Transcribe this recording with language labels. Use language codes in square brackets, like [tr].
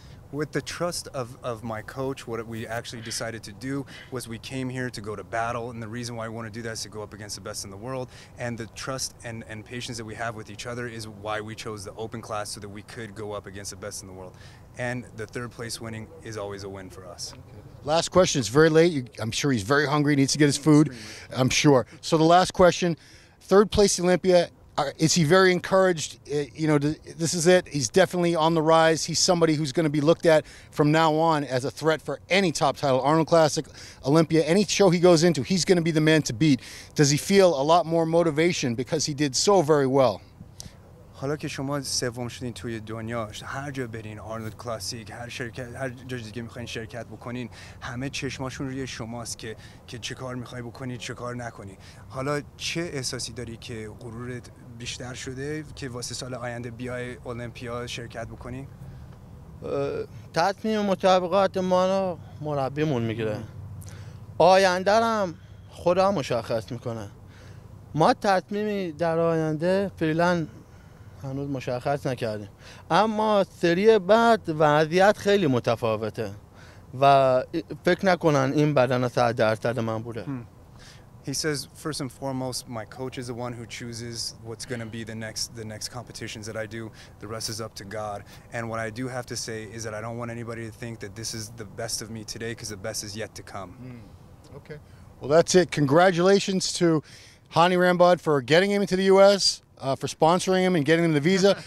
[en] With the trust of my coach, what we actually decided to do was we came here to go to battle, and the reason why I want to do that is to go up against the best in the world, and the trust and patience that we have with each other is why we chose the open class so that we could go up against the best in the world. And the third place winning is always a win for us. Last question, it's very late. I'm sure he's very hungry, needs to get his food, I'm sure. So the last question, third place Olympia, is he very encouraged? You know, this is it. He's definitely on the rise. He's somebody who's going to be looked at from now on as a threat for any top title, Arnold Classic, Olympia, any show he goes into, he's going to be the man to beat. Does he feel a lot more motivation because he did so very well? [fa] حالا که شما سوم شدین توی دنیا، هر جا برین، آرنولد کلاسیک، هر شرکت، هر جای دیگه میخواین شرکت بکنین، همه چشماشون روی شماست که چه کار میخوای بکنی، چه کار نکنی. حالا چه احساسی داری که غرورت بیشتر شده که واسه سال آینده بیای المپیا شرکت بکنی؟ تصمیم مطابقات ما رو مربیمون میگیره، آینده هم خدا مشخص میکنه. ما تصمیمی در آینده فعلا هنوز مشخص نکردیم، اما سری بعد وضعیت خیلی متفاوته و فکر نکنن این بدن صد درصد من بوده. [en] He says, first and foremost, my coach is the one who chooses what's going to be the next competitions that I do. The rest is up to God. And what I do have to say is that I don't want anybody to think that this is the best of me today, because the best is yet to come. Mm. Okay. Well, that's it. Congratulations to Hani Rambod for getting him into the U.S., for sponsoring him and getting him the visa.